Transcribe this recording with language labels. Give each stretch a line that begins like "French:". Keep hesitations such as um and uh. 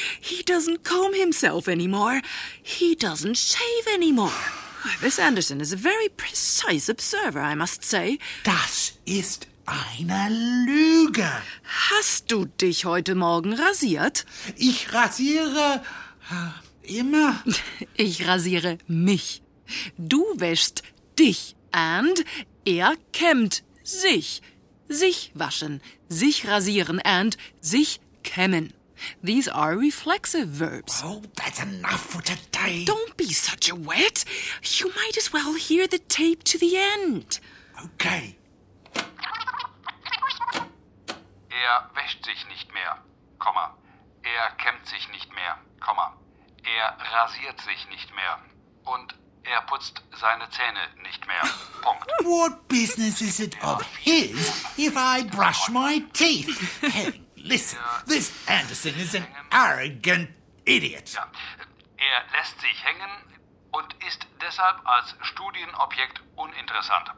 English: He doesn't comb himself anymore. He doesn't shave anymore. This Anderson is a very precise observer, I must say.
German: Das ist eine Lüge. Hast du dich heute Morgen rasiert? Ich rasiere immer. Ich rasiere mich. Du wäschst dich and er kämmt sich. Sich waschen, sich rasieren and sich kämmen.
English: These are reflexive verbs. Oh, well, that's enough for today. Don't be such a wet. You might as well hear the tape to the end. Okay.
German: Er wäscht sich nicht mehr, Komma. Er kämmt sich nicht mehr, Komma. Er rasiert sich nicht mehr. Und er putzt seine Zähne nicht mehr. Punkt.
English: What business is it of his if I brush my teeth? Hey. Listen, this Anderson is an arrogant idiot. Yeah.
German: Er lässt sich hängen und ist deshalb als Studienobjekt uninteressant.